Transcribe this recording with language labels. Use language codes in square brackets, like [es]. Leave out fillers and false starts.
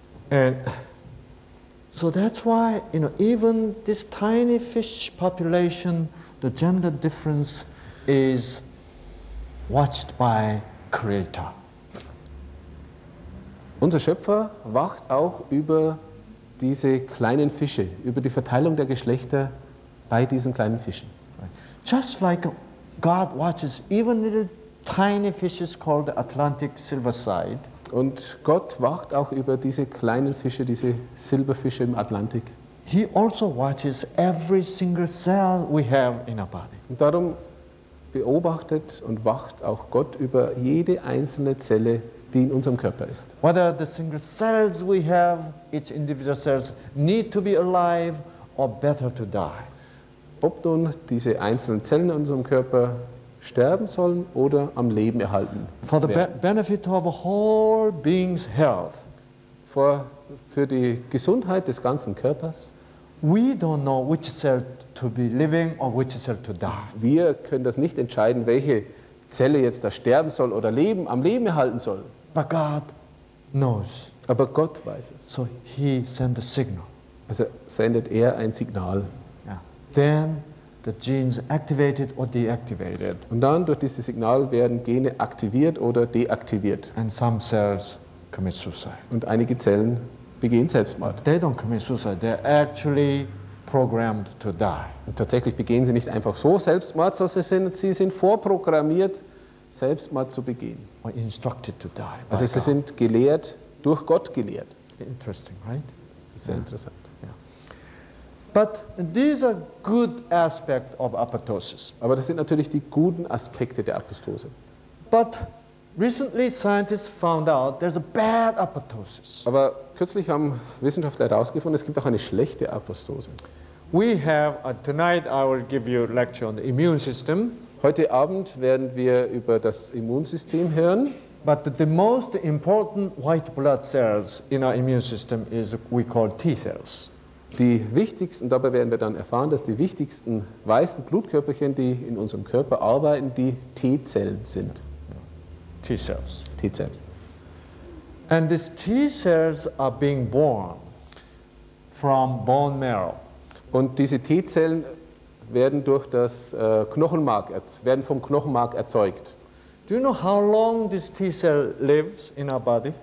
[en] And so that's why, you know, even this tiny fish population, the gender difference is watched by Creator. [de] Unser Schöpfer wacht auch über diese kleinen Fische, über die Verteilung der Geschlechter bei diesen kleinen Fischen. [en] Just like God watches even little tiny fishes called the Atlantic silverside. [de] Und Gott wacht auch über diese kleinen Fische, diese Silberfische im Atlantik. [en] He also watches every single cell we have in our body. [de] Und darum beobachtet und wacht auch Gott über jede einzelne Zelle, die in unserem Körper ist. [en] Whether the single cells we have, each individual cells need to be alive or better to die. [de] Ob nun diese einzelnen Zellen in unserem Körper sterben sollen oder am Leben erhalten werden. [en] For the benefit of whole being's health. [de] Für die Gesundheit des ganzen Körpers. [en] We don't know which cell to be living or which cell to die. [de] Wir können das nicht entscheiden, welche Zelle jetzt da sterben soll oder am Leben erhalten soll. [en] But God knows. [de] Aber Gott weiß es. [en] So he sends a signal. [de] Also sendet er ein Signal. [en] Then the genes activated or deactivated. [de] Und dann durch dieses Signal werden Gene aktiviert oder deaktiviert. [en] And some cells commit suicide. [de] Und einige Zellen begehen Selbstmord. [en] They don't commit suicide. They're actually programmed to die. [de] Und tatsächlich begehen sie nicht einfach so Selbstmord, sondern sie sind vorprogrammiert, Selbstmord zu begehen. [en] Or instructed to die. [de] Also sie sind gelehrt, durch Gott gelehrt. [en] Interesting, right? [de] Das ist sehr interessant. [en] But these are good aspects of apoptosis. [de] Aber das sind natürlich die guten Aspekte der Apoptose. [en] But recently scientists found out there's a bad apoptosis. [de] Aber kürzlich haben Wissenschaftler herausgefunden, es gibt auch eine schlechte Apoptose. [en] We have tonight I will give you a lecture on the immune system. [de] Heute Abend werden wir über das Immunsystem hören. [en] But the most important white blood cells in our immune system is we call T cells. [de] Die wichtigsten, dabei werden wir dann erfahren, dass die wichtigsten weißen Blutkörperchen, die in unserem Körper arbeiten, die T-Zellen sind. [en] T-Cells. [de] T-Zellen. [en] And these T-Cells are being born from bone marrow. [de] Und diese T-Zellen werden durch das Knochenmark werden vom Knochenmark erzeugt. [en] Do you know how long this T-Cell lives in our body?